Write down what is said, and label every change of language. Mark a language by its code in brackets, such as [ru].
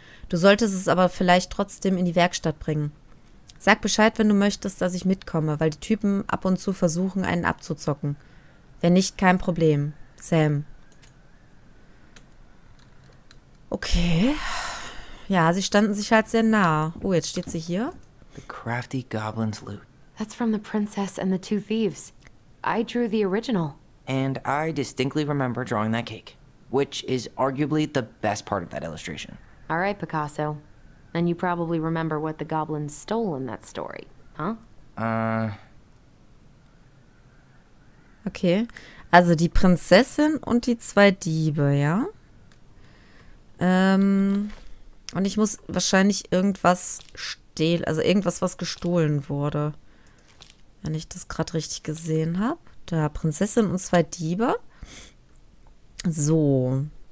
[de] Du solltest es aber vielleicht trotzdem in die Werkstatt bringen. Sag Bescheid, wenn du möchtest, dass ich mitkomme, weil die Typen ab und zu versuchen, einen abzuzocken. Wenn nicht, kein Problem. Sam. Okay. Ja, sie standen sich halt sehr nah. Oh, jetzt steht sie hier. [en] The crafty goblin's loot. That's from the princess and the two thieves. I drew the original. And I distinctly remember drawing that cake, which is arguably the best part of that illustration. All right, Picasso. And you probably remember what the goblins stole in that story, huh? [de] Okay, also die Prinzessin und die zwei Diebe, ja? Und ich muss wahrscheinlich irgendwas stehlen, also irgendwas, was gestohlen wurde. Wenn ich das gerade richtig gesehen habe. Da, Prinzessin und zwei Diebe. So.